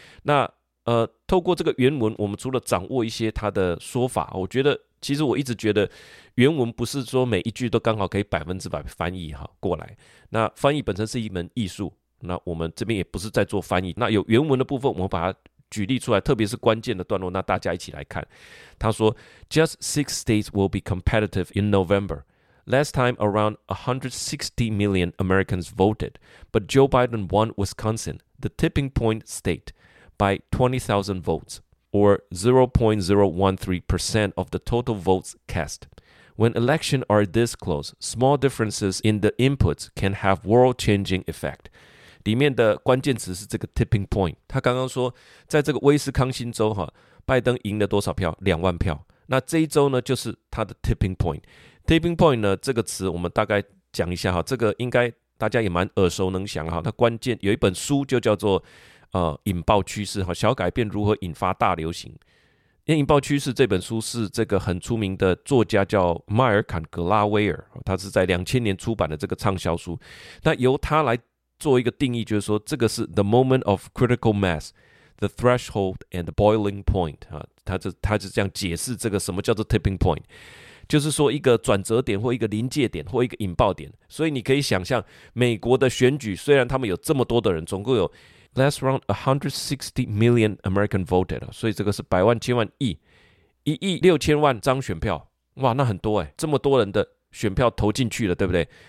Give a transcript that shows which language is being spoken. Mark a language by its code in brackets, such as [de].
[zh] 那透过这个原文，我们除了掌握一些它的说法，我觉得其实我一直觉得原文不是说每一句都刚好可以百分之百翻译过来，那翻译本身是一门艺术，那我们这边也不是在做翻译，那有原文的部分我们把它举例出来，特别是关键的段落，那大家一起来看。他说 [en] Just six states will be competitive in November. Last time, around 160 million Americans voted, but Joe Biden won Wisconsin, the tipping point state, by 20,000 votes, or 0.013% of the total votes cast. When elections are this close, small differences in the inputs can have world-changing effect. [zh] 里面的关键词是这个 tipping point。他刚刚说在这个威斯康星州，拜登赢了多少票？两万票。那这一周呢，就是他的 tipping point。tipping point 呢，这个词我们大概讲一下，这个应该大家也蛮耳熟能详。它关键有一本书就叫做引爆趋势，小改变如何引发大流行。因为引爆趋势这本书是这个很出名的作家叫迈尔坎格拉威尔，他是在2000年出版的这个畅销书。那由他来做一个定义，就是说这个是 [en] the moment of critical mass, the threshold and the boiling point。 [zh] 他是这样解释这个什么叫做 tipping point,就是说一个转折点，或一个临界点，或一个引爆点。所以你可以想象美国的选举，虽然他们有这么多的人，总共有 [en] last round 160 million American voted, [zh] 所以这个是百万千万亿一亿六千万张选票，哇，那很多耶，这么多人的选票投进去了，对不对？